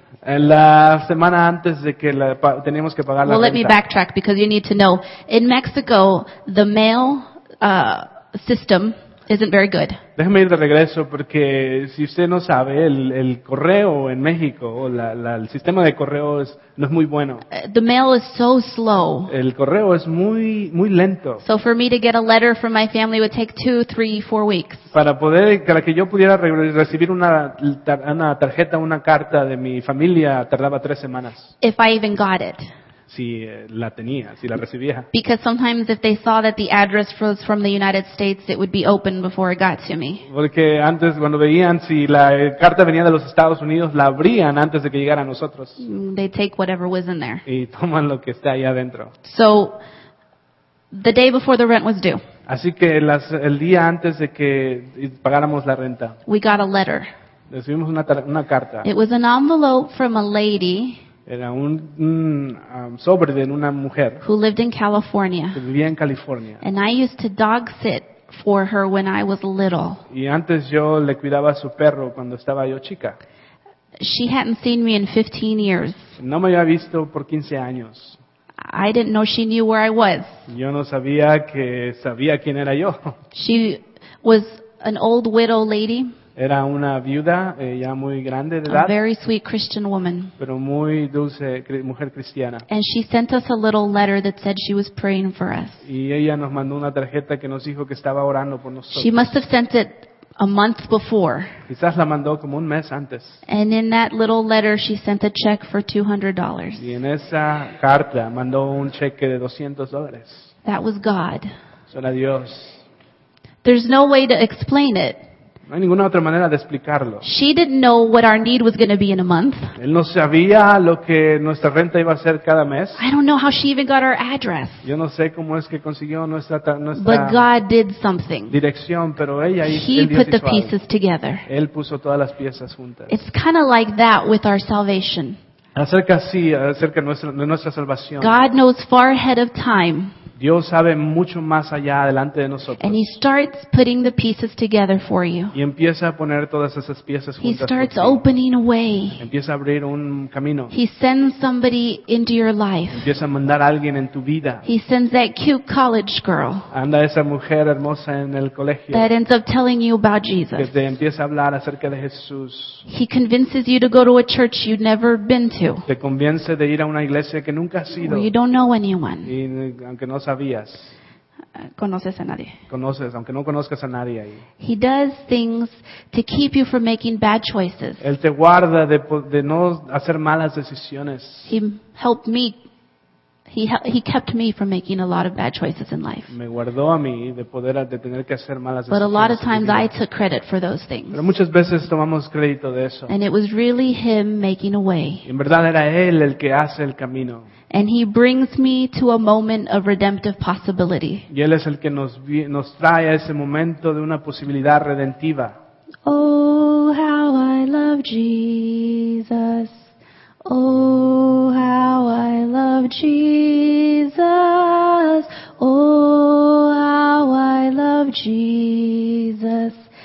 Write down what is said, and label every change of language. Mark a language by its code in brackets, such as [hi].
[es] En la semana antes de que teníamos que pagar la renta. [en] Well, let me backtrack because you need to know. In Mexico, the mail system isn't very good. [es] Déjeme ir de regreso porque si usted no sabe, el correo en México, el sistema de correo no es muy bueno. [en] The mail is so slow. [es] El correo es muy, muy lento. [en] So for me to get a letter from my family would take 2, 3, 4 weeks. [es] Para que yo pudiera recibir una tarjeta, una carta de mi familia, tardaba 3 semanas. [en] If I even got it. [es] Si la tenía, si la recibía. [en] Because sometimes if they saw that the address was from the United States, it would be open before it got to me. [es] Porque antes cuando veían si la carta venía de los Estados Unidos, la abrían antes de que llegara a nosotros. [en] They take whatever was in there. [es] Y toman lo que está ahí adentro. [en] So, the day before the rent was due. [es] Así que el día antes de que pagáramos la renta. [en] We got a letter. [es] Recibimos una carta. [en] It was an envelope from a lady. [es] Era un sobre de una mujer [en] who lived in California. [es] Que vivía en California. [en] And I used to dog sit for her when I was little. [es] Y antes yo le cuidaba a su perro cuando estaba yo chica. [en] She hadn't seen me in 15 years. [es] No me había visto por 15 años. [en] I didn't know she knew where I was. [es] Yo no sabía que sabía quién era yo. [en] She was an old widow lady. [es] Era una viuda, ya muy grande de edad. [en] A very sweet Christian woman. [es] Pero muy dulce mujer cristiana. [en] And she sent us a little letter that said she was praying for us. [es] Y ella nos mandó una tarjeta que nos dijo que estaba orando por nosotros. [en] She must have sent it a month before. [es] Quizás la mandó como un mes antes. [en] And in that little letter she sent a check for $200. [es] Y en esa carta mandó un cheque de $200. [en] That was God. [es] Eso era Dios. [en] There's no way to explain it. [es] No hay ninguna otra manera de explicarlo. [en] She didn't know what our need was going to be in a month. [es] Él no sabía lo que nuestra renta iba a ser cada mes. [en] I don't know how she even got our address. [es] Yo no sé cómo es que consiguió nuestra [en] But God did something. [es] Dirección, pero ella [en] He [es] y, [en] put, put the pieces together. [es] Él puso todas las piezas juntas. [en] It's kind of like that with our salvation. [es] Acerca así, acerca de nuestra salvación. [en] God knows far ahead of time. [es] Dios sabe mucho más allá adelante de nosotros. [en] And he starts putting the pieces together for you. [es] Y empieza a poner todas esas piezas juntas. [en] He starts opening a way. [es] Empieza a abrir un camino. [en] He sends somebody into your life. [es] Empieza a mandar a alguien en tu vida. [en] He sends that cute college girl. [es] Anda esa mujer hermosa en el colegio. [en] That ends up telling you about Jesus. [es] Que te empieza a hablar acerca de Jesús. [en] He convinces you to go to a church you've never been to. [es] Te convence de ir a una iglesia que nunca has ido. [en] Where you don't know anyone. [es] Y aunque no sabías. Conoces a nadie. Conoces, aunque no conozcas a nadie ahí. [en] He does things to keep you from making bad choices. [es] Él te guarda de no hacer malas decisiones. [en] He helped me. He kept me from making a lot of bad choices in life. [es] Me guardó a mí de tener que hacer malas decisiones. [en] But a lot of times I took credit for those things. [es] Pero muchas veces tomamos crédito de eso. [en] And it was really him making a way. [es] En verdad era él el que hace el camino. [en] And he brings me to a moment of redemptive possibility. [es] Y él es el que nos trae a ese momento de una posibilidad redentiva. [en] Oh, how I love Jesus. Oh, how I love Jesus. Oh, how I love Jesus.